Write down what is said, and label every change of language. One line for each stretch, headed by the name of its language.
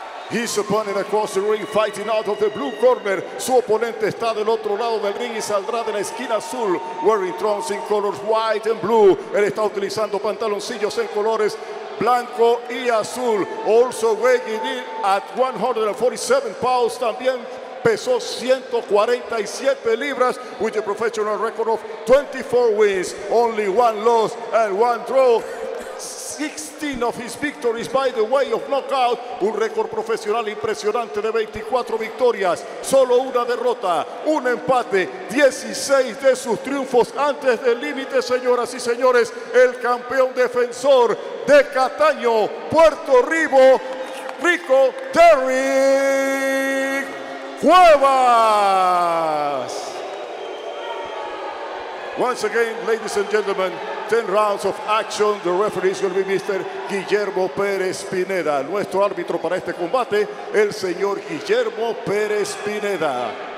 English: His opponent across the ring fighting out of the blue corner.
Spanish: Su oponente está del otro lado del ring y saldrá de la esquina azul.
English: Wearing trunks in colors white and blue.
Spanish: Él está utilizando pantaloncillos en colores blanco y azul.
English: Also weighing in at 147 pounds también.
Spanish: Pesó 147 libras
English: with a professional record of 24 wins, only one loss and one draw. 16 of his victories by the way of knockout,
Spanish: un récord profesional impresionante de 24 victorias, solo una derrota, un empate, 16 de sus triunfos antes del límite, señoras y señores, el campeón defensor de Cataño, Puerto Rico, Derrick Cuevas.
English: Once again, ladies and gentlemen, 10 rounds of action. The referee is going to be Mr. Guillermo Pérez Pineda.
Spanish: Nuestro árbitro para este combate, el señor Guillermo Pérez Pineda.